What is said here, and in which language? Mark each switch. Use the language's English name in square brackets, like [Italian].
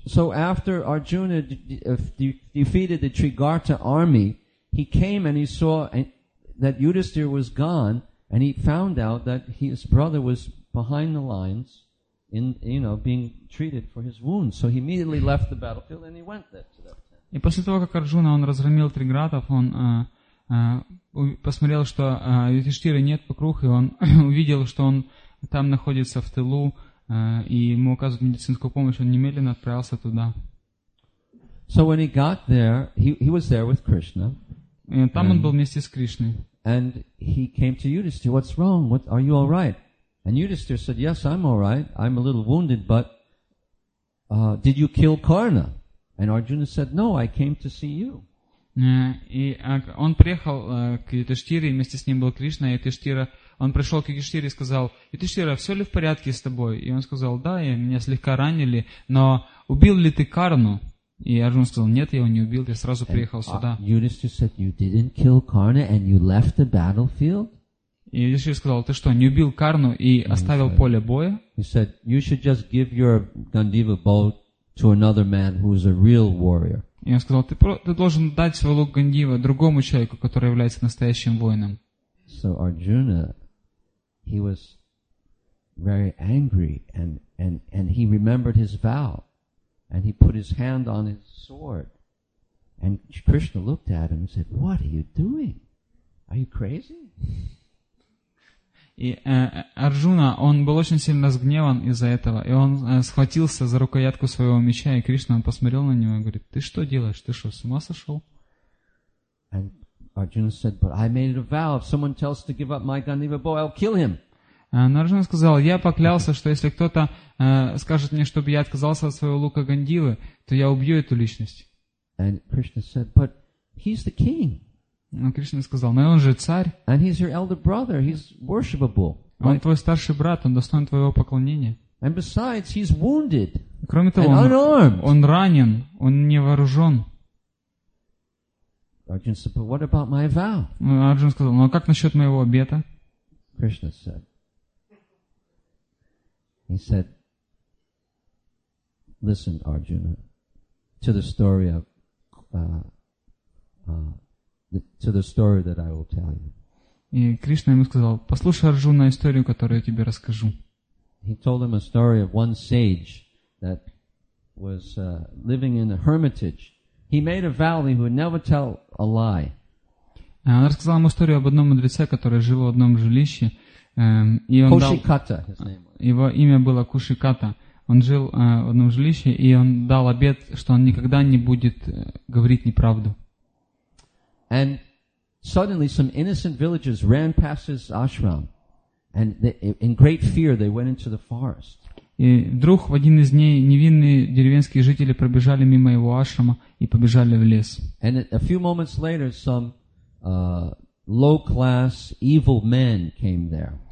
[English] So after Arjuna defeated the Trigartha army, he came and he saw that Yudhisthira was gone, and he found out that his brother was behind the lines. Being treated for his wounds, so he immediately left the battlefield and he went there to that tent. [Russian] И после того, как Арджуна он разгромил триградов, он посмотрел, что Юдхиштхиры нет вокруг, и он увидел, что он там находится в тылу, и ему оказывают медицинскую помощь, он немедленно отправился туда. [English] So when he got there, he was there with Krishna. [Russian] И там он был вместе с Кришной. [English] And he came to Yudhisthira. What's wrong? What are you all right? And Yudhisthira said, "Yes, I'm all right. I'm a little wounded, but did you kill Karna?" And Arjuna said, "No, I came to see you." [Russian] И он приехал к Юдхиштхире, вместе с ним был Кришна. Юдхиштхира, он пришел к Юдхиштхире и сказал: "Юдхиштхира, все ли в порядке с тобой?" И он сказал: "Да, и меня слегка ранили, но убил ли ты Карну?" И Арджуна сказал: "Нет, я его не убил. Я сразу приехал сюда." [English] Юдхиштхира said, "You didn't kill Karna, and you left the battlefield." [Russian] И Юдхиштхира сказал, ты что, не убил Карну и оставил поле боя? [English] He said, you should just give your Gandiva bow to another man who is a real warrior. [Russian] И он сказал, ты должен дать свой лук Гандива другому человеку, который является настоящим воином. [English] So Arjuna, he was very angry and he remembered his vow and he put his hand on his sword and Krishna looked at him and said, what are you doing? Are you crazy? [Russian] И Арджуна, он был очень сильно разгневан из-за этого, и он схватился за рукоятку своего меча, и Кришна посмотрел на него и говорит, ты что делаешь? Ты что, с ума сошел? [English] And Arjuna said, but I made a vow, if someone tells to give up my Gandiva bow, I'll kill him. [Russian] Но Арджуна сказал, я поклялся, что если кто-то скажет мне, чтобы я отказался от своего лука Гандивы, то я убью эту личность. [English] And Krishna said, but he's the king. [Russian] Но Кришна сказал, но он же царь. [English] And he's your elder brother, he's worshipable. Он right? [Russian] твой старший брат, он достоин твоего поклонения. [English] And besides, he's wounded. [Russian] Кроме того, [English] and unarmed. [Russian] Он ранен, он не вооружен. [English] Arjuna said, but what about my vow? [Russian] Arjuna сказал, ну а как насчет моего обета? [English] Krishna said. He said, listen, Arjuna, to the story of to the story that I will tell you. [Russian] И Кришна ему сказал, послушай, Арджуна, историю, которую я тебе расскажу. [English] He told him a story of one sage that was living in a hermitage. He made a vow that he would never tell a lie. [Russian] Он рассказал ему историю об одном мудреце, который жил в одном жилище. [English] Кушиката, his name. [Russian] Его имя было Кушиката. Он жил в одном жилище, и он дал обет, что он никогда не будет говорить неправду. [English] And suddenly some innocent villagers ran past his ashram, and they, in great fear they went into the forest. [Russian] И вдруг в один из дней невинные деревенские жители пробежали мимо его ашрама и побежали в лес. [English] And a few moments later some low-class evil men came there.